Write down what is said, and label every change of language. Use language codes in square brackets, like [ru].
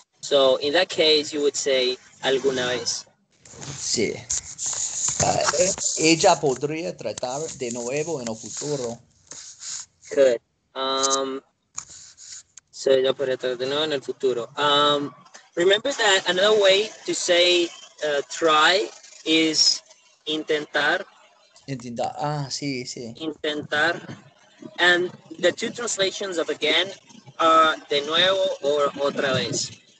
[en] So, in that case, you would say, [es] alguna vez. Sí. Ella podría tratar de nuevo en el futuro. [en] Good. So, [es] ella podría tratar de nuevo en el futuro. [en] Remember that another way to say try is intentar. [es] Entiendo. Ah, sí. [en] Intentar. And the two translations of again, [es] de nuevo o otra vez.